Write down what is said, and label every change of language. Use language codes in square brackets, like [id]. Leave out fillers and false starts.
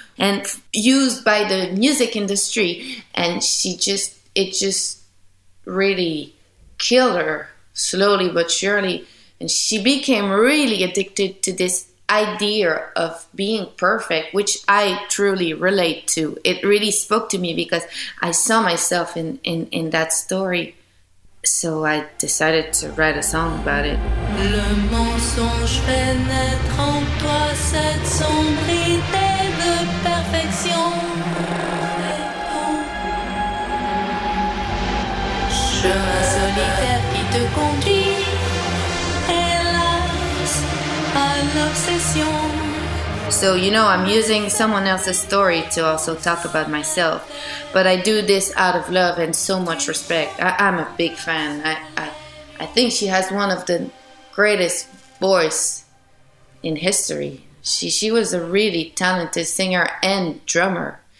[en] And used by the music industry, and it just really killed her slowly but surely. And she became really addicted to this idea of being perfect, which I truly relate to. It really spoke to me because I saw myself in that story. So I decided to write a song about it. [fr] Le mensonge pénètre en toi cette sombre idée de perfection. Chemin solitaire qui te conduit, hélas, à l'obsession. [en] So, you know, I'm using someone else's story to also talk about myself. But I do this out of love and so much respect. I'm a big fan. I think she has one of the greatest voice in history. She was a really talented singer and drummer.